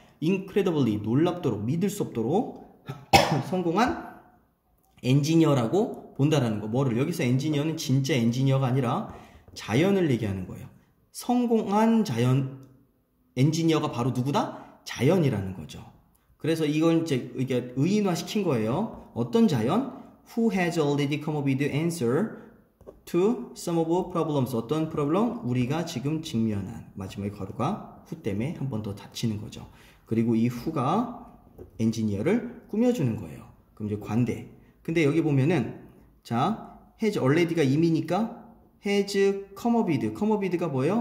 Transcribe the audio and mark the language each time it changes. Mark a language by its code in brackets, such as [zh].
[ko] Incredibly 놀랍도록 믿을 수 없도록 성공한 엔지니어라고 본다라는 거. 뭐를 여기서 엔지니어는 진짜 엔지니어가 아니라 자연을 얘기하는 거예요. 성공한 자연 엔지니어가 바로 누구다? 자연이라는 거죠. 그래서 이건 이제 이게 의인화 시킨 거예요. 어떤 자연? [en] Who has already come up with the answer to some of the problems? [ko] 어떤 problem? 우리가 지금 직면한 마지막의 과로가 who 때문에 한 번 더 닫히는 거죠. 그리고 이 who가 엔지니어를 꾸며주는 거예요. 그럼 이제 관대. 근데 여기 보면은 자 has already가 이미니까 has come up with. come up with가 뭐예요?